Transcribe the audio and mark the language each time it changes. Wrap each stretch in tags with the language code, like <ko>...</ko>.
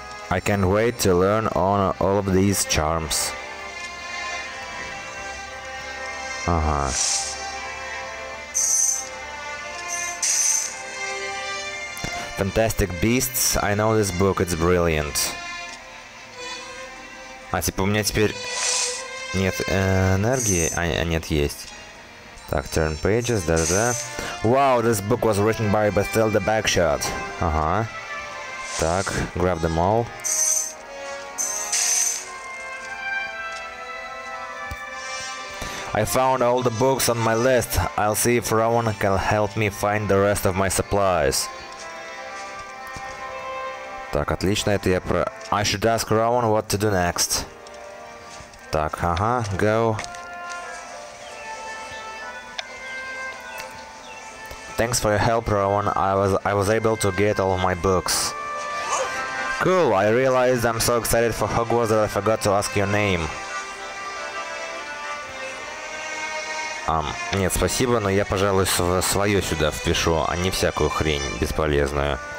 <en>I can't wait to learn all of these charms.</en> <ru>Ага.</ru> <en>Fantastic Beasts, I know this book, it's brilliant.</en> <ru>А, типа, у меня теперь нет энергии? А, нет, есть. Так,</ru> <en>turn pages,</en> <ru>да-да-да.</ru> <en>Wow, this book was written by Bathilda Bagshot.</en> <ru>Ага. Так,</ru> <en>grab them all. I found all the books on my list. I'll see if Rowan can help me find the rest of my supplies.</en> <ru>Так, отлично, это я про...</ru> <en>I should ask Rowan what to do next.</en> <ru>Так, ага,</ru> <en>go. Thanks for your help, Rowan. I was able to get all of my books. Cool, I realized I'm so excited for Hogwarts that I forgot to ask your name.</en> <ru>Нет, спасибо, но я, пожалуй, свое сюда впишу, а не всякую хрень бесполезную.</ru>